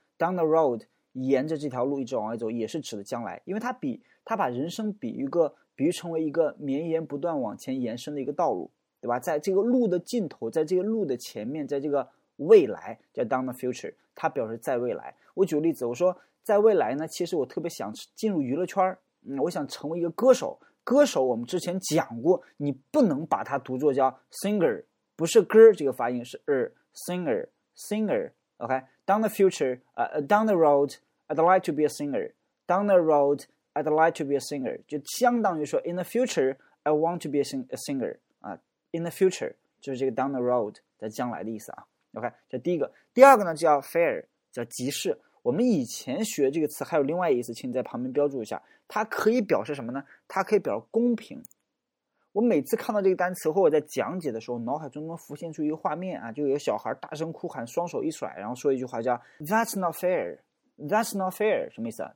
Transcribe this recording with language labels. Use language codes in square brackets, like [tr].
[zh] down the road 沿着这条路一直往外走，也是指的将来，因为它把人生比喻成为一个绵延不断往前延伸的一个道路，对吧，在这个路的尽头，在这个路的前面，在这个未来叫 down the future， 它表示在未来。我举个例子，我说在未来呢，其实我特别想进入娱乐圈，我想成为一个歌手。歌手我们之前讲过，你不能把它读作叫 singer， 不是歌这个发音，是 singer。 [en] OK， down the future down the road I'd like to be a singer， down the road I'd like to be a singer [zh] 就相当于说 [en] in the future I want to be a singer in the future [zh] 就是这个 [en] down the road [zh] 在将来的意思啊。 OK， 这第一个。第二个呢叫 fair， 叫集市。我们以前学这个词还有另外一个意思，请你在旁边标注一下，它可以表示什么呢？它可以表示公平。我每次看到这个单词或我在讲解的时候，脑海中能浮现出一个画面啊，就有小孩大声哭喊，双手一甩，然后说一句话叫 [en] That's not fair， That's not fair [zh] 什么意思啊？